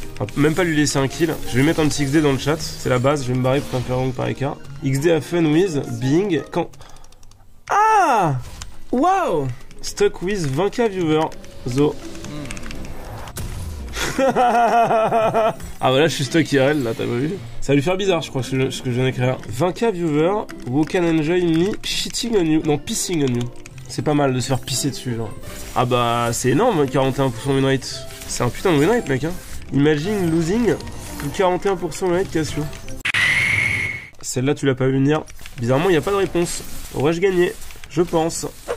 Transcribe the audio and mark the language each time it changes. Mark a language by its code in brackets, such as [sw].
[fr] Enfin, même pas lui laisser un kill. Je vais mettre un petit XD dans le chat. C'est la base, je vais me barrer pour pas me faire rank par écart. XD a fun with being... Quand... Ah! Wow! [en] Stuck with 20k viewers. Zo. [fr] Ah, bah là, je suis stuck IRL, là, t'as pas vu? Ça va lui faire bizarre, je crois, ce que je viens d'écrire. [en] 20k viewers, who can enjoy me shitting on you. Non, pissing on you. [fr] C'est pas mal de se faire pisser dessus, genre. Ah, bah, c'est énorme, 41% winrate. C'est un putain de winrate, mec, hein. [en] Imagine losing 41% winrate, [fr] Cassio. Celle-là, tu l'as pas vu venir. Bizarrement, y a pas de réponse. Aurais-je gagné? Je pense.